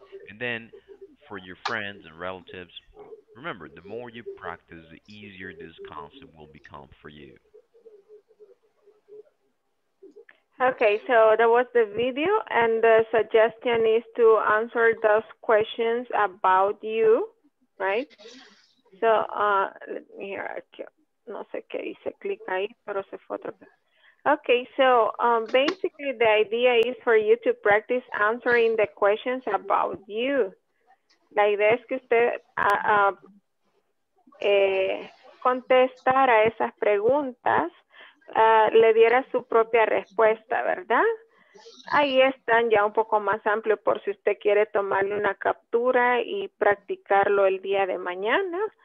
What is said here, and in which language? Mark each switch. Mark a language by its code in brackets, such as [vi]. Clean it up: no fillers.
[en] And then for your friends and relatives, remember, the more you practice, the easier this concept will become for you. Okay, so that was the video, and the suggestion is to answer those questions about you, right? So, let me hear, [es] no sé qué hice, click ahí, pero se fue otra vez. [en] Okay, so basically the idea is for you to practice answering the questions about you. [es] La idea es que usted contestara esas preguntas, le diera su propia respuesta, ¿verdad? Ahí están ya un poco más amplio por si usted quiere tomarle una captura y practicarlo el día de mañana.